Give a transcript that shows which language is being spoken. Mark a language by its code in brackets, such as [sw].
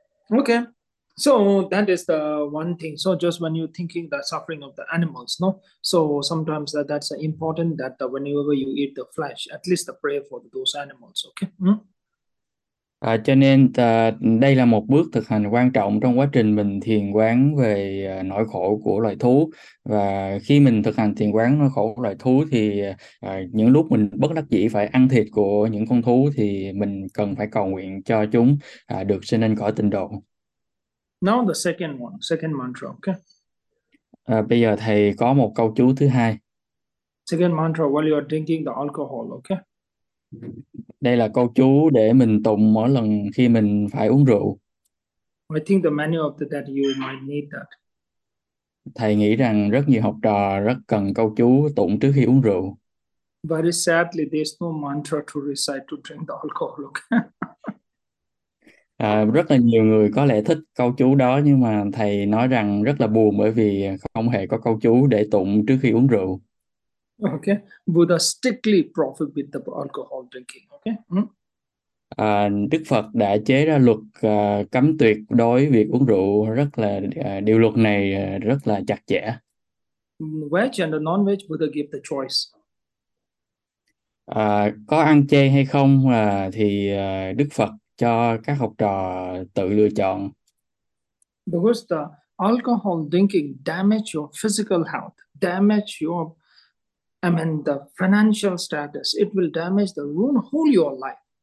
[en] Okay, so that is the one thing. So just when you're thinking the suffering of the animals, no? So sometimes that's important that whenever you eat the flesh, at least the prayer for those animals, okay? [vi] Cho nên đây là một bước thực hành quan trọng trong quá trình mình thiền quán về nỗi khổ của loài thú. Và khi mình thực hành thiền quán nỗi khổ của loài thú thì những lúc mình bất đắc dĩ phải ăn thịt của những con thú thì mình cần phải cầu nguyện cho chúng được sinh lên cõi tịnh độ. [en] Now the second one, second mantra, okay? [vi] Bây giờ thầy có một câu chú thứ hai. [en] Second mantra while you are drinking the alcohol, okay? [vi] Đây là câu chú để mình tụng mỗi lần khi mình phải uống rượu. [en] I think the many of the, that you might need that. [vi] Thầy nghĩ rằng rất nhiều học trò rất cần câu chú tụng trước khi uống rượu. [en] Very sadly, there's no mantra to recite to drink the alcohol. Okay? [vi] Rất là nhiều người có lẽ thích câu chú đó nhưng mà thầy nói rằng rất là buồn bởi vì không hề có câu chú để tụng trước khi uống rượu. [en] Okay, Buddha strictly prohibit the alcohol drinking. Okay. [vi] À, Đức Phật đã chế ra luật cấm tuyệt đối việc uống rượu, rất là điều luật này rất là chặt chẽ. [en] Veg and the non-veg Buddha give the choice. [vi] Có ăn chay hay không thì Đức Phật cho các học trò tự lựa chọn. [en] Because the alcohol drinking damage your physical health, damage your, I mean, the financial status. It will damage the ruin whole your life.